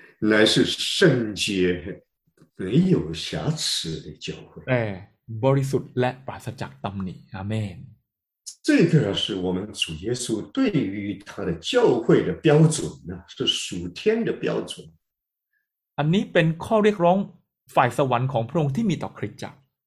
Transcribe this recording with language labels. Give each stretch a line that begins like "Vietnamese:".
Chinese: 乃是圣洁没有瑕疵的教会
Thai: บริสุทธิ์และปราศจากตำหนิอาเมน
Chinese: 这个是我们主耶稣对于他的教会的标准呢是属天的标准
Thai: อันนี้เป็นข้อเรียกร้องฝ่ายสวรรค์ของพระองค์ที่มีต่อคริสตจักร